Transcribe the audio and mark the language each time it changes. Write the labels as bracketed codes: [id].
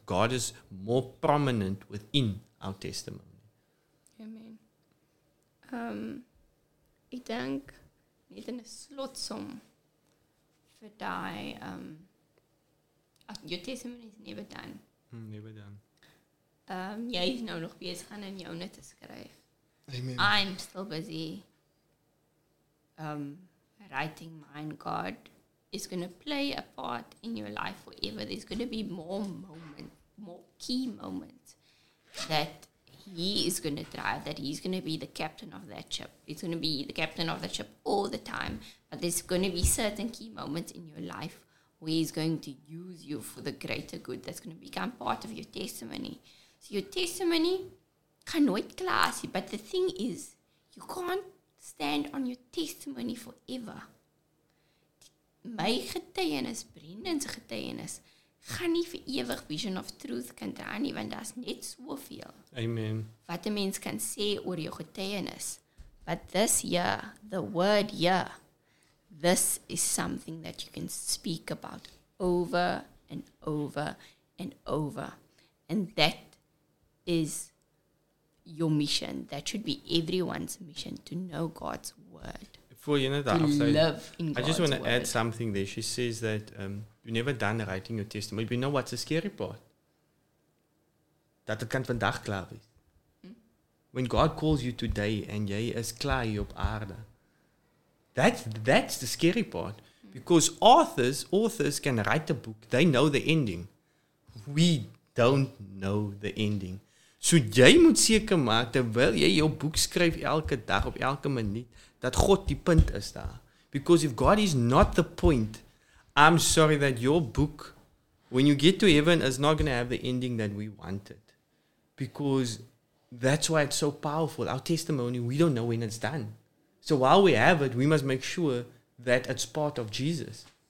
[en] God is more prominent within our testimony. Amen. I think [af] net in 'n slotsom vir daai [en] your testimony is never done. Never done. [af] Jy is nou nog besig aan in joune te skryf. [en] Amen. I'm still busy writing mine. God is going to play a part in your life forever. There's going to be more moments, more key moments that he is going to drive, that he's going to be the captain of that ship. He's going to be the captain of the ship all the time. But there's going to be certain key moments in your life where he's going to use you for the greater good. That's going to become part of your testimony. So your testimony can [af] nooit klaar sy, [en] but the thing is, you can't stand on your testimony forever. [af] My getuienis, Brendan's getuienis, gaan nie vir ewig Vision of Truth kan dra nie, want daar is net soveel. Amen. Wat een mens kan sê oor jou getuienis. [en] But this year, the word year, this is something that you can speak about over and over and over. And that is your mission. That should be everyone's mission, to know God's word. For you know that, to also, love in God's I just want to add something there. She says that you're never done writing your testimony. But you know what's the scary part? That it can't [af] vandag klaar wees. [en] When God calls you today and [af] jy is klaar hier op aarde, [en] that's the scary part. Because authors can write a book. They know the ending. We don't know the ending. [af] So jy moet seker maak, terwyl jy jou boek skryf elke dag op elke minuut, dat God die punt is daar. [en] Because if God is not the point, I'm sorry that your book, when you get to heaven, is not going to have the ending that we wanted. Because that's why it's so powerful. Our testimony, we don't know when it's done. So while we have it, we must make sure that it's part of Jesus.